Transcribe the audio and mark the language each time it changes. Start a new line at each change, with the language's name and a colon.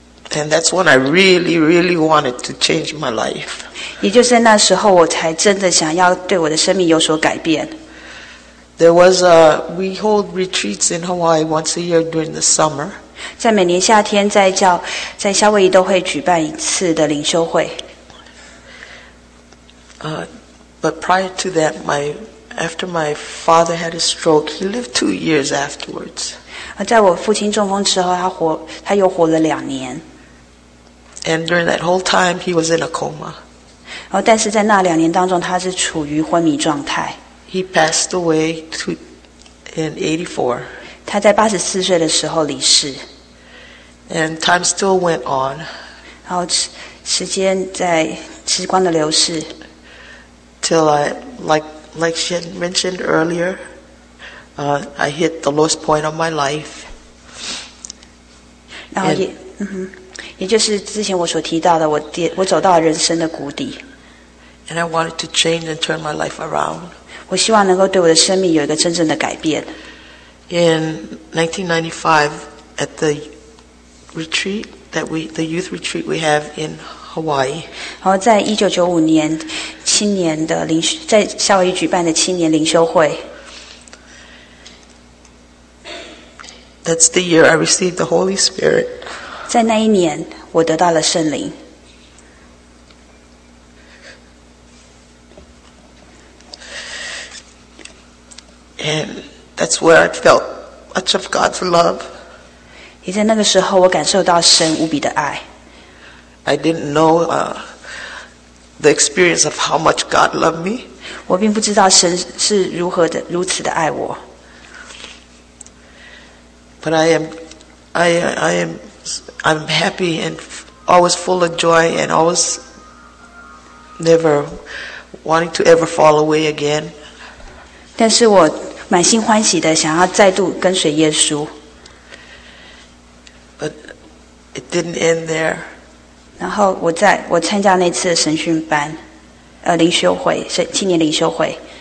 English: And that's when I really, really wanted to change my life.
Chinese: 也就是在那时候，我才真的想要对我的生命有所改变。
English: There was a we hold retreats in Hawaii once a year during the summer.
Chinese: 在每年夏天，在夏威夷都会举办一次的灵修会。
English: But prior to that, after my father had a stroke, he lived 2 years afterwards.
Chinese: 在我父亲中风之后，他又活了两年。
English: And during that whole time, he was in a coma.
Chinese: 但是在那两年当中，他是处于昏迷状态。
English: He passed away in 84.
Chinese: 他在84岁的时候离世。
English: And time still went on.
Chinese: 然后时间在时光的流逝。
English: Till I, like she had mentioned earlier, I hit the lowest point of my life.
Chinese: 然后也，也就是之前我所提到的，我走到人生的谷底。
English: And I wanted to change and turn my life around.
Chinese: 我希望能够对我的生命有一个真正的改变。
English: In 1995, at the retreat that the youth retreat we have in Hawaii.
Chinese: 然后在1995年，青年的灵在夏威夷举办的青年灵修会。
English: That's the year I received the Holy Spirit.
Chinese: 在那一年，我得到了圣灵。
English: And that's where I felt much of God's love.
Chinese: 也在那个时候，我感受到神无比的爱。
English: I didn't know the experience of how much God loved me.
Chinese: 我并不知道神是如此的爱我。
English: But I'm happy and always full of joy and always never wanting to ever fall away again.
Chinese: 但是我满心欢喜的想要再度跟随耶稣。
English: But it didn't end there.
Chinese: 然后我参加那次神训班，灵修会，青年灵修会。